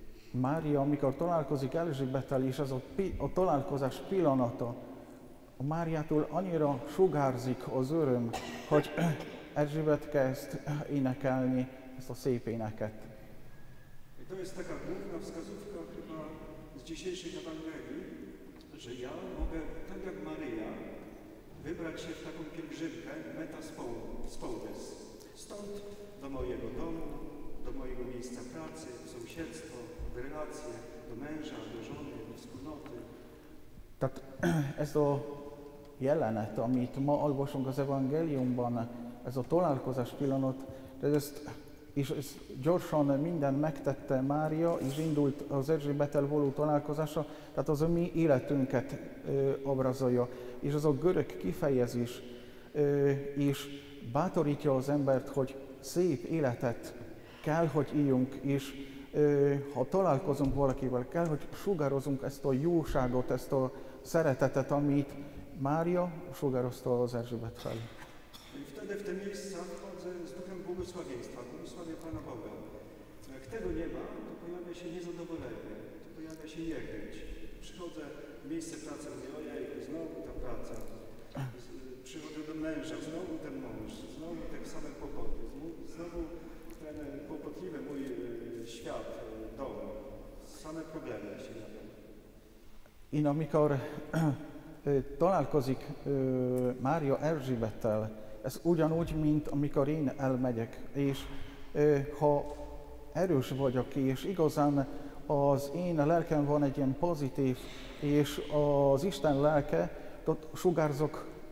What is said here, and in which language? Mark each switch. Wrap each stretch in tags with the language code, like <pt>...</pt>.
<hu>Mária, amikor találkozik Elzsébettel, és ez a találkozás pillanata, a Máriától annyira sugárzik az öröm, hogy Elzsébet kezd énekelni ezt a szép éneket.</hu> <pl>To jest taka główna wskazówka chyba z dzisiejszej Ewangelii, że ja mogę, tak jak Maria, wybrać się w taką pielgrzymkę metaspoudes. Stąd do mojego domu, do mojego miejsca pracy, w sąsiedztwo, w relacje, do męża, do żony, do wspólnoty.</pl> <hu>Tehát ez a jelenet, amit ma olvasunk az Evangeliumban, ez a találkozás pillanat, és ezt gyorsan minden megtette Mária, és indult az Erzsébettel való találkozása, tehát az a mi életünket abrazolja. És az a görög kifejezés is bátorítja az embert, hogy szép életet kell, hogy éljünk, és ha találkozunk valakivel, kell, hogy sugározunk ezt a jóságot, ezt a szeretetet, amit Mária sugározta az Erzsébet felé.</hu> <pl>Wtedy w te miejsca wchodzę z duchem błogosławieństwa, błogosławię Pana Boga. Jak tego nie ma, to pojawia się niezadowolenie, to pojawia się niechęć. Przychodzę w miejsce pracy, mówię, ojej, znowu ta praca. Przychodzę do męża, znowu ten mąż, znowu te same kłopoty, znowu ten kłopotliwy mój świat, dom, same problemy się</pl> <hu>I na mikor találkozik Mária Erzsébettel, ez ugyanúgy, mint amikor én elmegyek, és ha erős vagyok, és igazán az én lelkem van egy ilyen pozitív, és az Isten lelke, ott sugárzok</hu>